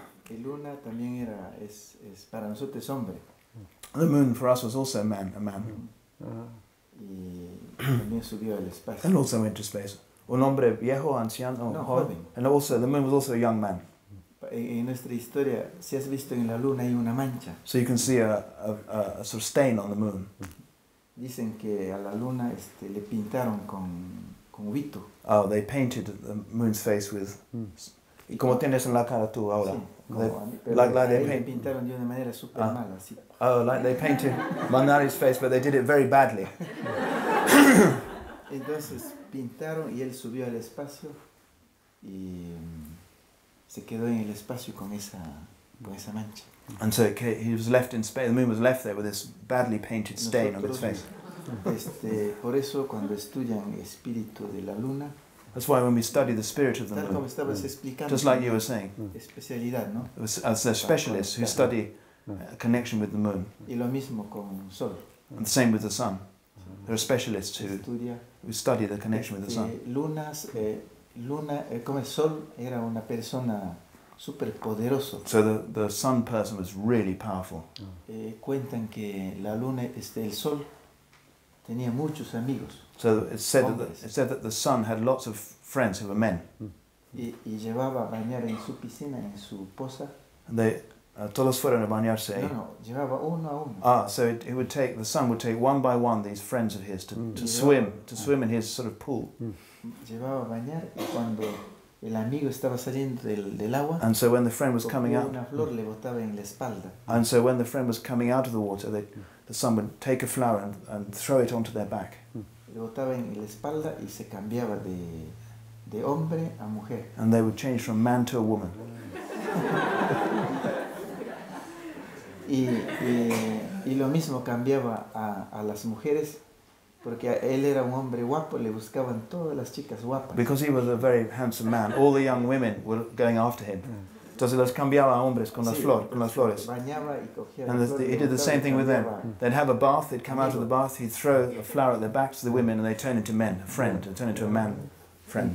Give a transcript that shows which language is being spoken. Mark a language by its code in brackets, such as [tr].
[es] El luna también era es para nosotros hombre. [en] The moon for us was also a man. And also went to space. [es] Un hombre viejo, anciano, no, joven. [en] And also, the moon was also a young man. [es] En nuestra historia, si has visto en la luna hay una mancha. [en] So you can see a sort of stain on the moon. [es] Dicen que a la luna le pintaron con vito. [en] Oh, they painted the moon's face with... [es] ¿Y cómo tienes en la cara tú ahora? Sí. Like [en] they painted Manari's face, but they did it very badly. [es] Entonces pintaron y él subió al espacio y se quedó en el espacio con esa mancha. [en] And so he was left in space. The moon was left there with this badly painted stain [es] nosotros, [en] on its face. [es] Por eso cuando estudian el espíritu de la luna. [en] That's why when we study the spirit of the moon, just like you were saying, as a specialist who study a connection with the moon, and the same with the sun, there are specialists who study the connection with the sun. [es] Sol era una persona super poderoso. [en] So the sun person was really powerful. [es] Cuentan que la luna el sol tenía muchos amigos. [en] So it said that the sun had lots of friends who were men. [es] Y llevaba a bañar en su piscina, en su poza. [en] And they, [es] todos fueron a bañarse. No, llevaba uno a uno. [en] Ah, so it would take, the sun would take one by one these friends of his to swim in his sort of pool. [es] Llevaba a bañar y cuando el amigo estaba saliendo del agua. [en] And so when the friend was coming out. [es] Una flor le botaba en la espalda. [en] And so when the friend was coming out of the water, the sun would take a flower and throw it onto their back. [es] Le botaba en la espalda y se cambiaba de hombre a mujer. [en] And they would change from man to a woman. [es] y lo mismo cambiaba a las mujeres Porque él era un hombre guapo, le buscaban todas las chicas guapas. [en] Because he was a very handsome man, all the young women were going after him. Mm. [es] Entonces los cambiaba a hombres con las flores, con las flores. Bañaba y cogía. [en] And he did the same thing with them. They'd have a bath, they'd come out of the bath, he'd throw a flower at their backs to the women, and they turn into men, a friend, they turn into a man friend.